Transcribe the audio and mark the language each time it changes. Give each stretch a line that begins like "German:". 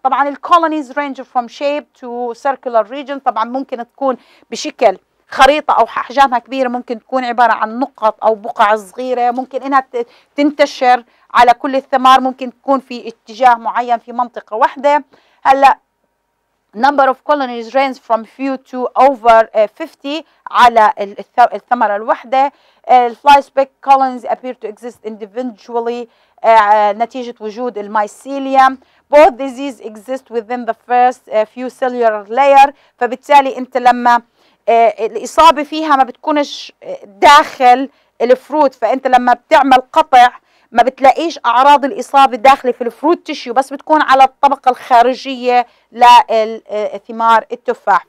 Arabic: طبعا الكولونيز رينج فروم شيب تو سيركلر ريجن، طبعا ممكن تكون بشكل خريطه او احجامها كبيره، ممكن تكون عباره عن نقط او بقع صغيره، ممكن انها تنتشر على كل الثمار، ممكن تكون في اتجاه معين في منطقه واحده.
English: هلا number of colonies range from few to over 50
Arabic: على الثمرة الواحدة.
English: الفلاي speck colonies appear to exist individually
Arabic: نتيجة وجود المايسيليوم.
English: Both diseases exist within the first few cellular layer.
Arabic: فبالتالي انت لما الإصابة فيها ما بتكونش داخل الفروت، فانت لما بتعمل قطع ما بتلاقيش اعراض الاصابه داخله في الفروت تيشيو، بس بتكون على الطبقه الخارجيه للثمار التفاح.